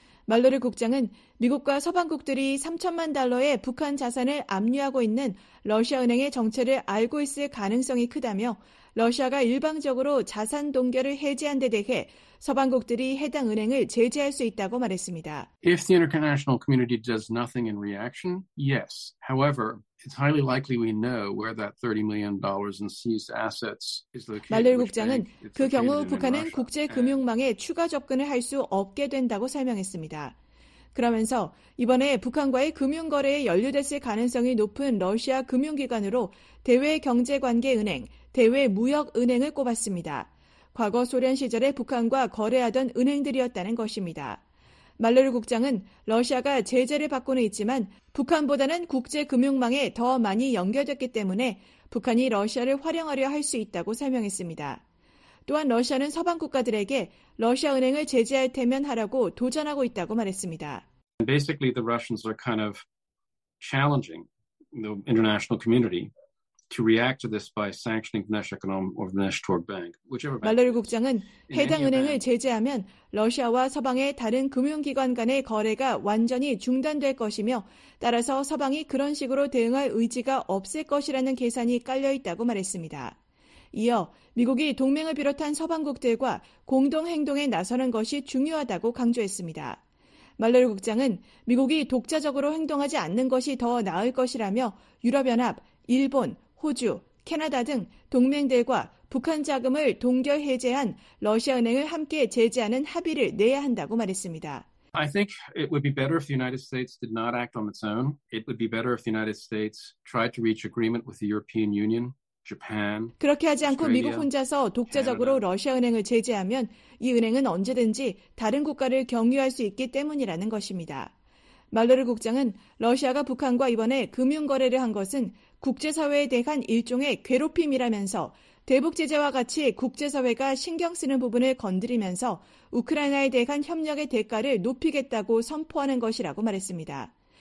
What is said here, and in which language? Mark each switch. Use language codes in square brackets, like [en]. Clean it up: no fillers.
[ko] 말로르 국장은 미국과 서방국들이 3천만 달러의 북한 자산을 압류하고 있는 러시아 은행의 정체를 알고 있을 가능성이 크다며 러시아가 일방적으로 자산 동결을 해제한 데 대해 서방국들이 해당 은행을 제재할 수 있다고 말했습니다. [en] If the international community does nothing in reaction, yes. However, it's highly likely we know where that $30 million in seized assets is located. [ko] 말로르 국장은 그 경우 북한은 국제 금융망에 추가 접근을 할 수 없게 된다고 설명했습니다. 그러면서 이번에 북한과의 금융거래에 연루됐을 가능성이 높은 러시아 금융기관으로 대외경제관계은행, 대외무역은행을 꼽았습니다. 과거 소련 시절에 북한과 거래하던 은행들이었다는 것입니다. 말로르 국장은 러시아가 제재를 받고는 있지만 북한보다는 국제금융망에 더 많이 연결됐기 때문에 북한이 러시아를 활용하려 할 수 있다고 설명했습니다. 또한 러시아는 서방 국가들에게 러시아 은행을 제재할 테면 하라고 도전하고 있다고 말했습니다. [en] Basically, the Russians are kind of challenging the international community to react to this by sanctioning Vneshekonom or Vneshtor Bank, whichever bank. [ko] 말로르 국장은 해당 은행을 제재하면 러시아와 서방의 다른 금융기관 간의 거래가 완전히 중단될 것이며 따라서 서방이 그런 식으로 대응할 의지가 없을 것이라는 계산이 깔려 있다고 말했습니다. 이어 미국이 동맹을 비롯한 서방국들과 공동행동에 나서는 것이 중요하다고 강조했습니다. 말로르 국장은 미국이 독자적으로 행동하지 않는 것이 더 나을 것이라며 유럽연합, 일본, 호주, 캐나다 등 동맹들과 북한 자금을 동결 해제한 러시아 은행을 함께 제재하는 합의를 내야 한다고 말했습니다. [en] I think it would be better if the United States did not act on its own. It would be better if the United States tried to reach agreement with the European Union. [ko] 그렇게 하지 않고 미국 혼자서 독자적으로 러시아 은행을 제재하면 이 은행은 언제든지 다른 국가를 경유할 수 있기 때문이라는 것입니다. 말로르 국장은 러시아가 북한과 이번에 금융거래를 한 것은 국제사회에 대한 일종의 괴롭힘이라면서 대북 제재와 같이 국제사회가 신경 쓰는 부분을 건드리면서 우크라이나에 대한 협력의 대가를 높이겠다고 선포하는 것이라고 말했습니다.